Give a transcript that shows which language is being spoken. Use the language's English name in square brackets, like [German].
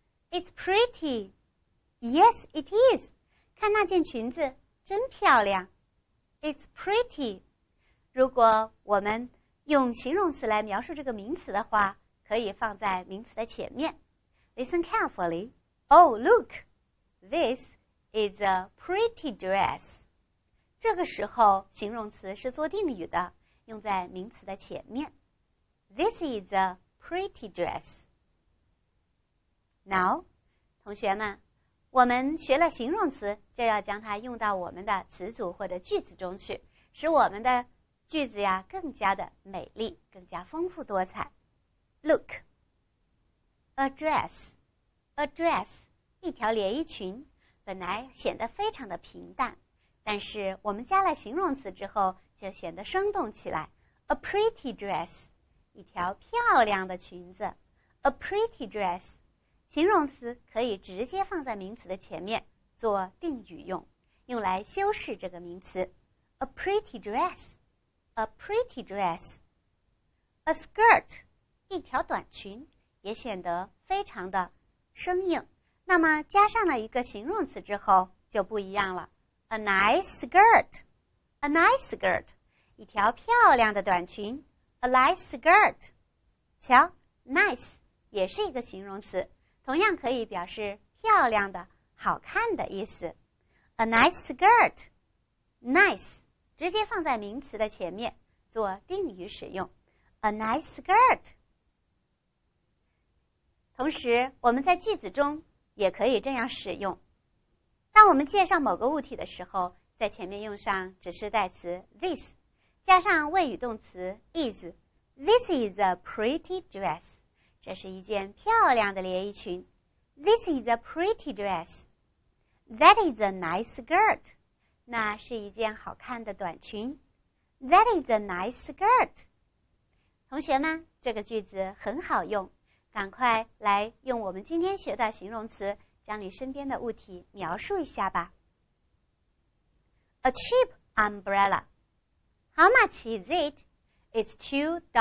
[English] It's pretty. Yes, it is. [Chinese] 看那件裙子真漂亮。 [English] It's pretty. [Chinese] 如果我们用形容词来描述这个名词的话，可以放在名词的前面。 [English] Listen carefully. Oh, lookThis is a pretty dress. [Chinese] 这个时候形容词是做定语的，用在名词的前面。 [English] This is a pretty dress. [Chinese] Now, 同学们，我们学了形容词，就要将它用到我们的词组或者句子中去，使我们的句子呀更加的美丽，更加丰富多彩。 [English] Look, a dress, a dress. [Chinese] 一条连衣裙本来显得非常的平淡，但是我们加了形容词之后就显得生动起来。 [English] A pretty dress， [Chinese] 一条漂亮的裙子。 [English] A pretty dress， [Chinese] 形容词可以直接放在名词的前面做定语用，用来修饰这个名词。 [English] A pretty dress, a pretty dress. A skirt, [Chinese] 一条短裙，也显得非常的生硬。那么加上了一个形容词之后就不一样了。 [English] A nice skirt, a nice skirt, [Chinese] 一条漂亮的短裙。 [English] A nice skirt, [Chinese] 瞧 ,nice 也是一个形容词，同样可以表示漂亮的、好看的意思。 [English] A nice skirt, [Chinese] nice, 直接放在名词的前面做定语使用。 [English] A nice skirt。 [Chinese] 同时我们在句子中也可以这样使用。当我们介绍某个物体的时候，在前面用上指示代词 this, 加上谓语动词 is, [English] this is a pretty dress, [Chinese] 这是一件漂亮的连衣裙。 [English] This is a pretty dress. That is a nice skirt, [Chinese] 那是一件好看的短裙。 [English] That is a nice skirt. [Chinese] 同学们，这个句子很好用。赶快来用我们今天学的形容词将你身边的物体描述一下吧。 [English] A cheap umbrella. How much is it? It's $2.